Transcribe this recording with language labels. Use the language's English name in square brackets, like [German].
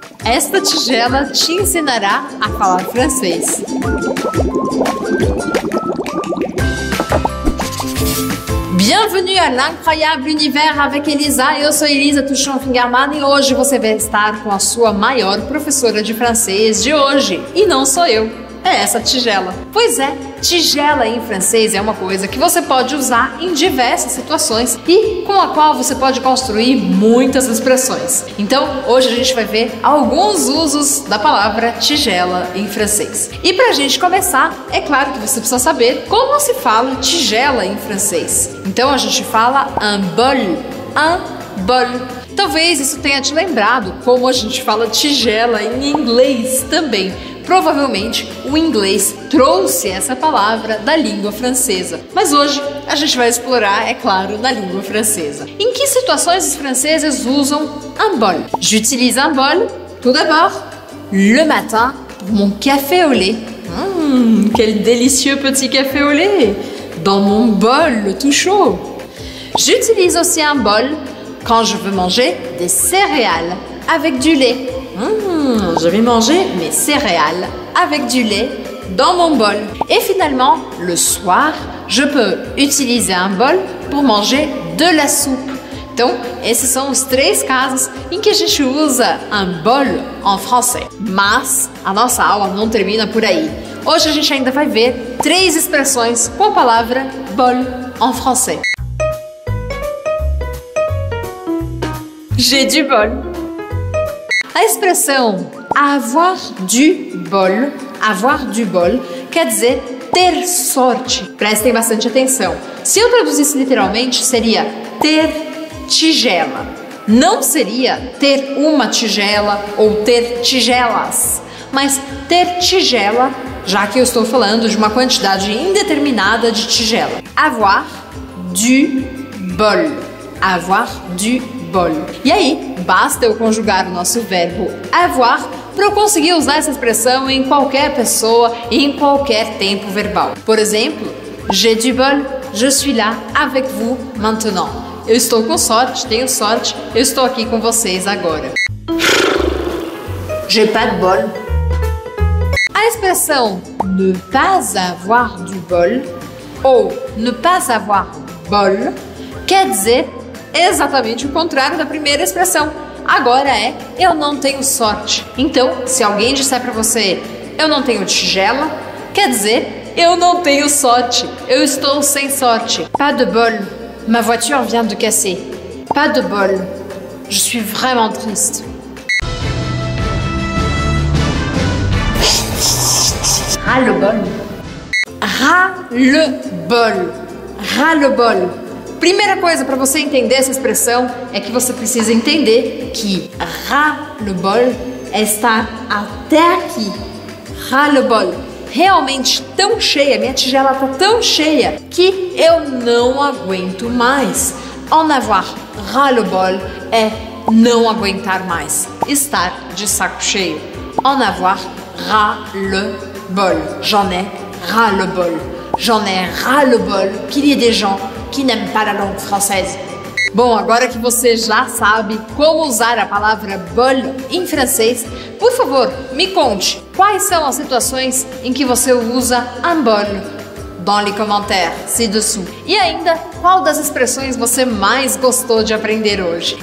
[Portuguese] Esta tigela te ensinará a falar francês. [French] Bienvenue à l'incroyable univers avec Elisa. [Portuguese] Eu sou Elisa Tuchon-Fingerman e hoje você vai estar com a sua maior professora de francês de hoje. E não sou eu, é essa tigela. Pois é, tigela em francês é uma coisa que você pode usar em diversas situações e com a qual você pode construir muitas expressões. Então, hoje a gente vai ver alguns usos da palavra tigela em francês. E pra gente começar, é claro que você precisa saber como se fala tigela em francês. Então a gente fala un bol, un bol. Talvez isso tenha te lembrado como a gente fala tigela em inglês também. Provavelmente o inglês trouxe essa palavra da língua francesa. Mas hoje a gente vai explorar, é claro, na língua francesa. Em que situações os franceses usam un bol? [French] J'utilise un bol, tout d'abord, le matin, pour mon café au lait. Quel délicieux petit café au lait! Dans mon bol, tout chaud! J'utilise aussi un bol quand je veux manger des céréales avec du lait. Je vais manger mes céréales avec du lait dans mon bol. Et finalement, le soir, je peux utiliser un bol pour manger de la soupe. [Portuguese] Então, esses são os três casos em que a gente usa [French] un bol en français. [Portuguese] Mas a nossa aula não termina por aí. Hoje a gente ainda vai ver três expressões com a palavra [French] bol en français. J'ai du bol. [Portuguese] A expressão [French] avoir du bol, avoir du bol, [Portuguese] quer dizer ter sorte. Prestem bastante atenção. Se eu traduzisse literalmente, seria ter tigela. Não seria ter uma tigela ou ter tigelas, mas ter tigela, já que eu estou falando de uma quantidade indeterminada de tigela. [French] Avoir du bol. Avoir du bol. [Portuguese] E aí, basta eu conjugar o nosso verbo avoir para eu conseguir usar essa expressão em qualquer pessoa e em qualquer tempo verbal. Por exemplo, [French] j'ai du bol, je suis là avec vous maintenant. [Portuguese] Eu estou com sorte, tenho sorte, eu estou aqui com vocês agora. [French] J'ai pas de bol. [Portuguese] A expressão [French] ne pas avoir du bol ou ne pas avoir bol [Portuguese] quer dizer exatamente o contrário da primeira expressão. Agora é eu não tenho sorte. Então, se alguém disser para você eu não tenho tigela, quer dizer eu não tenho sorte. Eu estou sem sorte. [French] Pas de bol. Ma voiture vient de casser. Pas de bol. Je suis vraiment triste. Ras le bol. Ras le bol. Ras le bol. [Portuguese] Primeira coisa para você entender essa expressão é que você precisa entender que [French] ras le bol [Portuguese] é estar até aqui. Ras le bol. Realmente tão cheia, minha tigela tá tão cheia que eu não aguento mais. [French] En avoir ras le bol [Portuguese] é não aguentar mais, estar de saco cheio. [French] En avoir ras le bol. J'en ai ras le bol. J'en ai ras le bol qu'il y ait des gens qui n'aiment pas la langue française. [Portuguese] Bom, agora que você já sabe como usar a palavra bol em francês, por favor, me conte quais são as situações em que você usa [French] un bol dans les commentaires ci-dessous. [Portuguese] E ainda, qual das expressões você mais gostou de aprender hoje?